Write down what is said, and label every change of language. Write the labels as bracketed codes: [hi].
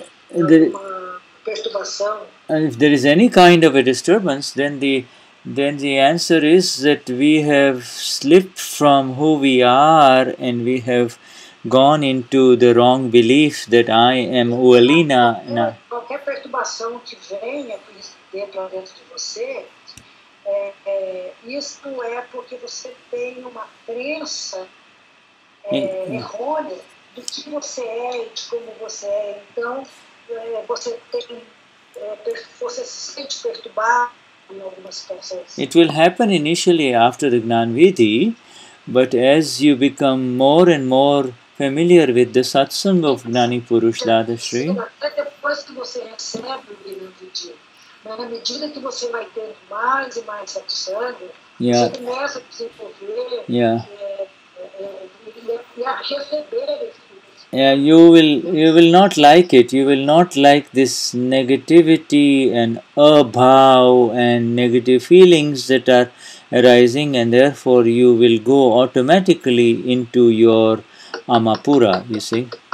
[en] If there is any kind of a disturbance, then the answer is that we have slipped from who we are and we have gone into the wrong belief that I am Uelina. [pt] Qualquer perturbação que venha dentro de você, isso é porque você tem uma crença errônea do que você é e de como você é. Então, você se sente perturbado em algumas situações. [en] It will happen initially after the Gnanvidhi, but as you become more and more familiar with the satsang of Gnani Purush Dada Shri. [pt] Até depois que você recebe o Gnanvidhi, mas na medida que você vai tendo mais e mais satsang, você começa a desenvolver e a receber esse. [en] Yeah, you will not like it. You will not like this negativity and abhav and negative feelings that are arising, and therefore you will go automatically into your Amapura, you see.